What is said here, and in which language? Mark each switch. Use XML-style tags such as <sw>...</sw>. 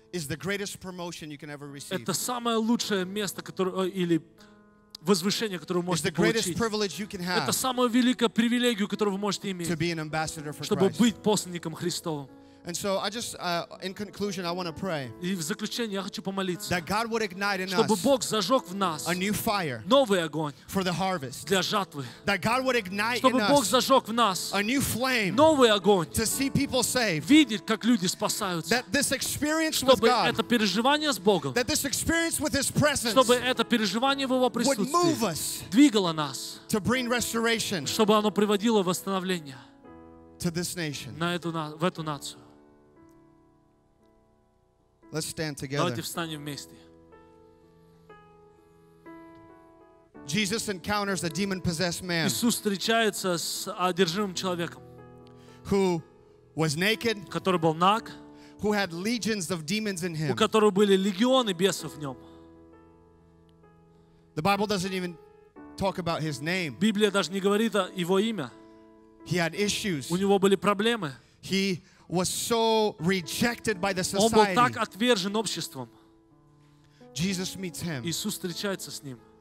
<en>Is the greatest promotion you can ever receive.</en> <ru>Это самое лучшее место, которое или возвышение, которое вы можете получить.</ru> <en>It's the greatest privilege you can have.</en> <ru>Это самое великое привилегию, которую вы можете иметь.</ru> <en>To be an ambassador for Christ.</en> <ru>Чтобы быть посланником Христовым.</ru> <en>And so I just in conclusion I want to pray.</en> <ru>И в заключение я хочу помолиться.</ru> <en>That God would ignite in us.</en> <ru>Чтобы Бог зажёг в нас.</ru> <en>A new fire.</en> <ru>Новый огонь.</ru> <en>For the harvest.</en> <ru>Для жатвы.</ru> <en>That God would ignite in us.</en> <ru>Чтобы Бог зажёг в нас.</ru> <en>A new flame.</en> <ru>Новый огонь.</ru> <en>To see people saved.</en> <ru>Видеть, как люди спасаются.</ru> <en>That this experience with God.</en> <ru>Чтобы это переживание с Богом.</ru> <en>That this experience with his presence.</en> <ru>Чтобы это переживание в его присутствии.</ru> <en>Would move us.</en> <ru>Двигало нас.</ru> <en>To bring restoration.</en> <ru>Чтобы оно приводило восстановление.</ru> <en>To this nation.</en> <ru>На эту в эту нацию.</ru> <en>Let's stand together.</en> <ru>Давайте встанем вместе.</ru> <en>Jesus encounters a demon-possessed man.</en> <ru>Иисус встречается с одержимым человеком.</ru> <en>Who was naked?</en> <ru>Который был наг.</ru> <en>Who had legions of demons in him?</en> <ru>У которого были легионы бесов в нем.</ru> <en>The Bible doesn't even talk about his name.</en> <ru>Библия даже не говорит о его имя.</ru> <en>He had issues.</en> <ru>У него были проблемы.</ru> <en>He was so rejected by the society.</en> <ru>Он был так отвержен обществом.</ru> <en>Jesus meets him.</en> <ru>Иисус встречается с ним.</ru>